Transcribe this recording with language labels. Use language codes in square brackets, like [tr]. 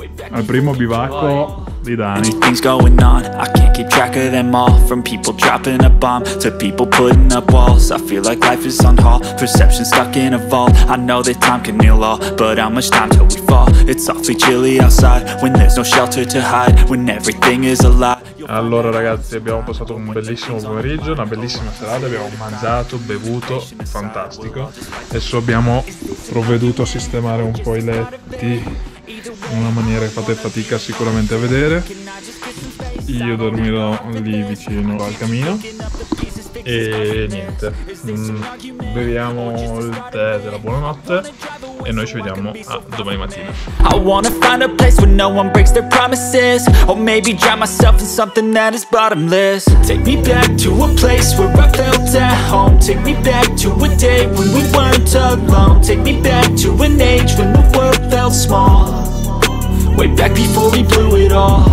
[it] Al primo bivacco di Dani. [en] Things going on, I can't keep track of them all. From people dropping a bomb to people putting up walls. I feel like life is on hold, perception stuck in a vault. I know that time can heal all, but how much time till we fall? It's awfully chilly outside when there's no shelter to hide, when everything is a lie. [it] Allora ragazzi, abbiamo passato un bellissimo pomeriggio, una bellissima serata, abbiamo mangiato, bevuto, fantastico. Adesso abbiamo provveduto a sistemare un po' i letti in una maniera che fate fatica sicuramente a vedere. Io dormirò lì vicino al camino e niente, beviamo il tè della buonanotte e noi ci vediamo a domani mattina. [en] I wanna find a place where no one breaks their promises, or maybe drown myself in something that is bottomless. Take me back to a place where I felt at home. Take me back to a day when we weren't alone. Take me back to an age when the world felt small, way back before we blew it all.